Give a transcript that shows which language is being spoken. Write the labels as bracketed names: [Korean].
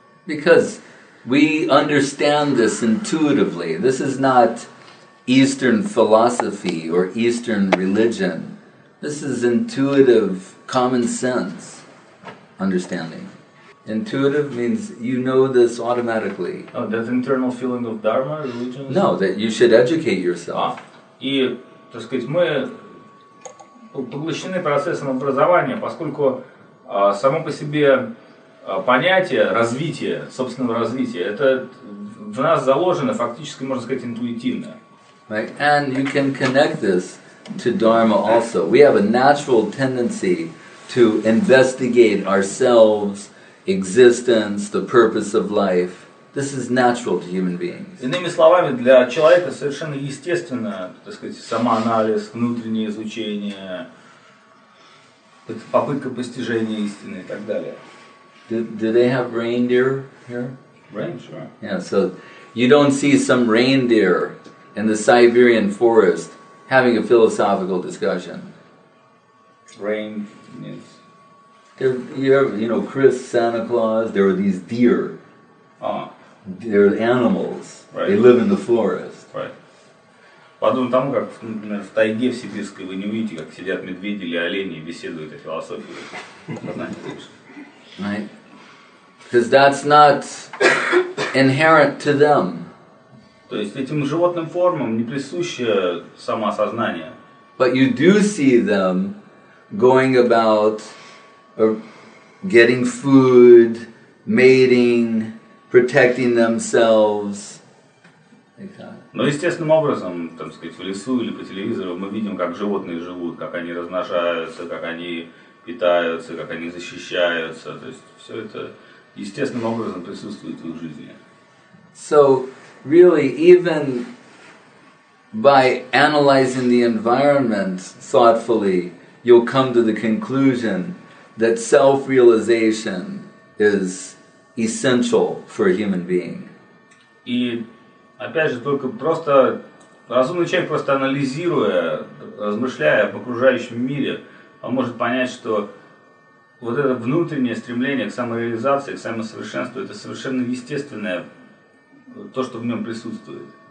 [English] Because we understand this intuitively. This is not Eastern philosophy or Eastern religion. This is intuitive, common sense understanding. Intuitive means you know this automatically. Oh, that internal feeling of dharma, religion? No, that you should educate yourself. [Russian] И, так сказать, мы поглощены процессом образования, поскольку само по себе понятие развития, собственного развития, это в нас заложено фактически, можно сказать, интуитивно. [English] Right, and you can connect this to dharma also. We have a natural tendency to investigate ourselves, existence, the purpose of life. This is natural to human beings. [Russian] Иными словами, для человека совершенно естественно, так сказать, самоанализ, внутреннее изучение, попытка постижения истины и так далее. [English] Do they have reindeer here? Reindeer. Yeah, so you don't see some reindeer in the Siberian forest having a philosophical discussion. Reindeer. You know, Chris, Santa Claus, there are these deer. Uh-huh. They're animals. Right. They live in the forest. Right. [Russian] Подумай, там, как, например, в тайге в сибирской, вы не увидите, как сидят медведи или олени и беседуют о философии. [English] Right? Because that's not inherent to them. [Russian] То есть этим животным формам не присуще самоосознание. [English] But you do see them going about or getting food, mating, protecting themselves, like that. [Russian] Но естественным образом, там, сказать, в лесу или по телевизору мы видим, как животные живут, как они размножаются, как они питаются, как они защищаются. То есть все это естественным образом присутствует в их жизни. [English] So, really, even by analyzing the environment thoughtfully, you'll come to the conclusion that self-realization is essential for a human being. [Russian] И опять же, только просто разумный человек, просто анализируя, размышляя об окружающем мире, он может понять, что вот это внутреннее стремление к самореализации, к самосовершенству, это совершенно естественное то, что в нем присутствует.